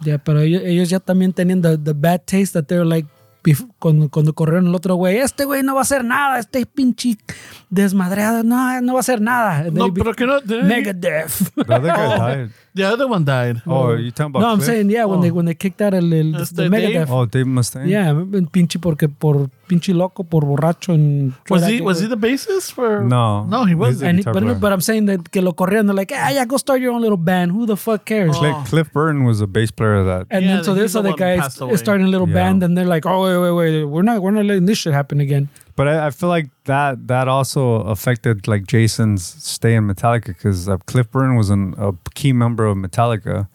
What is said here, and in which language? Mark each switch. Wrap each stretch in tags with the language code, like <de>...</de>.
<es>Yeah. Pero ellos ya también tenían</es> <en>the bad taste that they're like,</en> <es>cuando corrieron el otro güey, este güey no va a hacer nada, este pinche desmadreado, no, no va a hacer nada. No, pero que no,</es> <en>Megadeth. The other guy died. The other one died. Oh, are you talking about? No, Cliff? I'm saying, yeah, when they kicked out el the Megadeth. Dave? Oh, Dave Mustaine.</en> <es>Yeah, pinche porque por pinche loco, por borracho.</es> <en>Was he the bassist for? No. No, he wasn't. But I'm saying that</en> <es>que lo corrieron,</es> <en>they're like, ah, yeah, go start your own little band. Who the fuck cares? Oh. Cliff Burton was a bass player of that. And yeah, then so this other guy is starting a little band and they're like, oh, wait, we're not letting this shit happen again. But I feel like that also affected like Jason's stay in Metallica, because Cliff Burton was a key member of Metallica.</en>